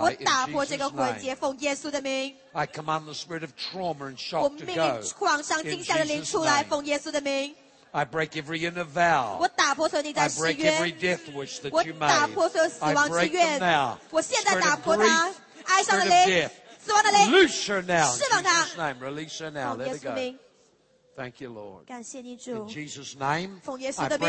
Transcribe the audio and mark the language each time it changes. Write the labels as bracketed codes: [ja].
[zh] 我打破这个魂结，奉耶稣的名。 [en] I command the spirit of trauma and shock to go. [zh] 我命令创伤惊吓的灵出来，奉耶稣的名。 [en] I break every inner vow. [zh] 我打破所有内在誓约。 [en] I break every death wish that you made. [zh] 我打破所有死亡之愿。 [en] I break them now. [zh] 我现在打破它。哀伤的灵。死亡的灵。 [en] Release her now. [zh] 释放它。 [en] In Jesus' name, release her now. Let it go. Thank you, Lord. [zh] 感谢你主。 [en] In Jesus' name. [zh] 奉耶稣的名。